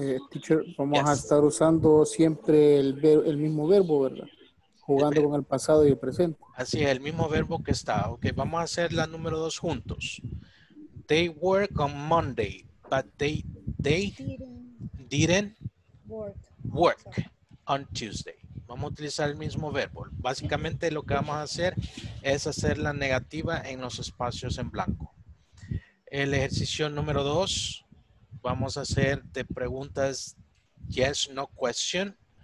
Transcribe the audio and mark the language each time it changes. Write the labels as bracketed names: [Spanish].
[Spanish] Teacher, vamos a estar usando siempre el mismo verbo, ¿verdad? Jugando con el pasado y el presente. Así es, el mismo verbo que está. Ok, vamos a hacer la número dos juntos. [English] They work on Monday, but they didn't work on Tuesday. [Spanish] Vamos a utilizar el mismo verbo. Básicamente lo que vamos a hacer es hacer la negativa en los espacios en blanco. El ejercicio número dos, vamos a hacer de preguntas [English] yes, no question.